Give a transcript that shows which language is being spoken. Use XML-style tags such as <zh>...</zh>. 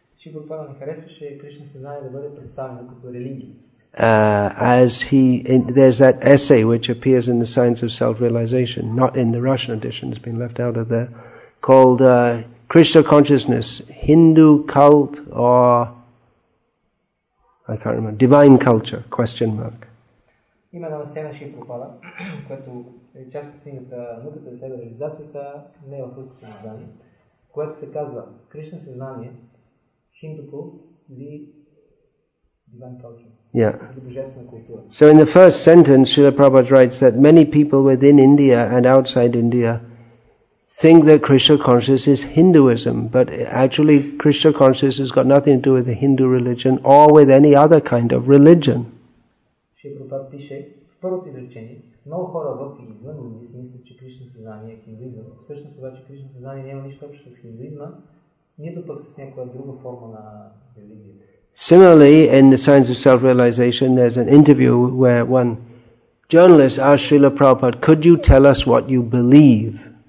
<en>There's that essay which appears in the Science of Self-Realization, not in the Russian edition, it's been left out of there, called Krishna Consciousness, Hindu Cult or, I can't remember, Divine Culture, question mark.</en> <bg>Има една сцена ще пропада, която е част от книгата Науката за себе реализацията, не е в руското съзнание, което се казва Кришна съзнание, Hindu или Divine Culture.</bg> <en>Yeah.</en> <bg>Или божествена култура.</bg> <en>So in the first sentence, Srila Prabhupada writes that many people within India and outside India think that Krishna consciousness is Hinduism, but actually Krishna consciousness has got nothing to do with the Hindu religion or with any other kind of religion.</en> <bg>Шри Прабхупада пише в първото изречение, много хора в и извън Индия си мислят, че Кришна съзнание е хиндуизъм. Всъщност обаче Кришна съзнание няма нищо общо с хиндуизма, нито пък с някаква друга форма на религия.</bg> <en>Similarly, in the Science of Self-Realization, there's an interview where one journalist asked Srila Prabhupada, could you tell us what you believe?</en>